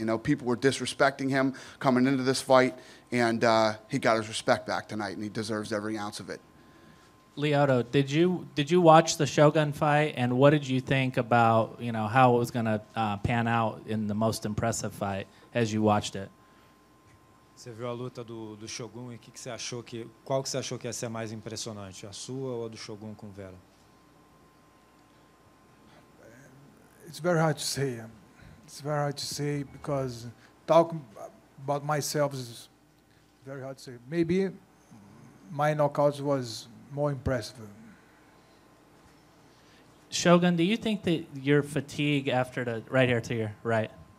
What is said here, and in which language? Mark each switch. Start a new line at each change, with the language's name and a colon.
English: You know, people were disrespecting him coming into this fight. And he got his respect back tonight, and he deserves every ounce of it. Lyoto, did you watch the Shogun fight, and what did you think about, you know, how it was going to pan out in the most impressive fight as you watched it?
Portuguese: Você viu a luta do Shogun, e que você achou que, qual que você achou que ia ser mais impressionante, a sua ou a do Shogun com Vera?
English: It's very hard to say because talking about myself is very hard to say. Maybe my knockout was more impressive. Shogun, do you think that your fatigue after the right here to your right?